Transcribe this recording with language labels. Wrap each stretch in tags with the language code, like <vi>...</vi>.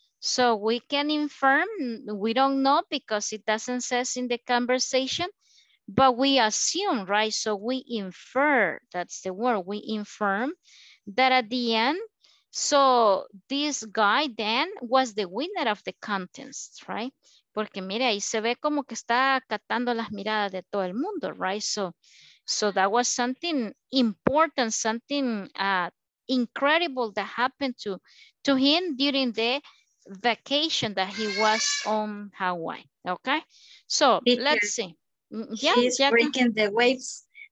<en>So we can infer, we don't know because it doesn't say in the conversation, but we assume, right? So we infer, that's the word, we infer that at the end, so this guy then was the winner of the contest, right?</en> <es>Porque mire, ahí se ve como que está catando las miradas de todo el mundo,</es> <en>right? So that was something important, something incredible that happened to him during the vacation that he was on Hawaii. Okay, so teacher, let's see. Yeah, he's yeah, breaking the waves.</en>